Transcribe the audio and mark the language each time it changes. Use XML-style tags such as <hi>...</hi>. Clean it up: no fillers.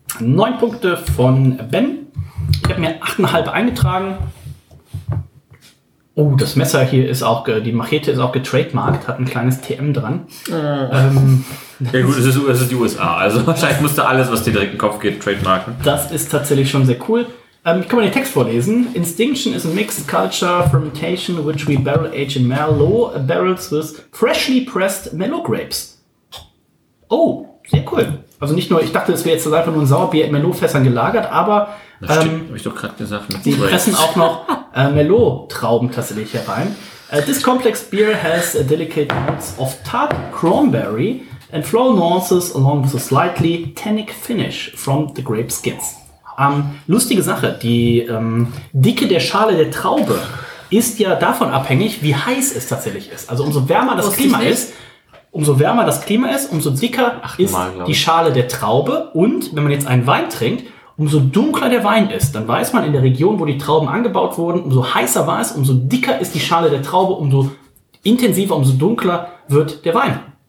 <de>9 Punkte von Ben. Ich habe mir 8,5 eingetragen. Oh, das Messer hier ist auch, die Machete ist auch getrademarkt, hat ein kleines TM dran. Ja gut, es ist die USA, also wahrscheinlich musste alles, was dir direkt in den Kopf geht, trademarken. Das ist tatsächlich schon sehr cool. Ich kann mal den Text vorlesen.</de> <en>Instinction is a mixed culture fermentation which we barrel age in Merlot barrels with freshly pressed Merlot grapes.</en> <de>Oh, sehr cool. Also nicht nur, ich dachte, es wäre jetzt einfach nur ein Sauerbier in Merlot-Fässern gelagert, aber das stimmt, habe ich doch gerade gesagt. Sie pressen auch noch Merlot-Trauben tatsächlich herein.</de> <en>This complex beer has a delicate notes of tart cranberry and floral nuances along with a slightly tannic finish from the grape skins.</en> <de>Lustige Sache, die Dicke der Schale der Traube ist ja davon abhängig, wie heiß es tatsächlich ist. Also umso wärmer das Klima ist, umso dicker ist die Schale der Traube. Und wenn man jetzt einen Wein trinkt, umso dunkler der Wein ist, dann weiß man in der Region, wo die Trauben angebaut wurden, umso heißer war es, umso dicker ist die Schale der Traube, umso intensiver, umso dunkler wird der Wein.</de>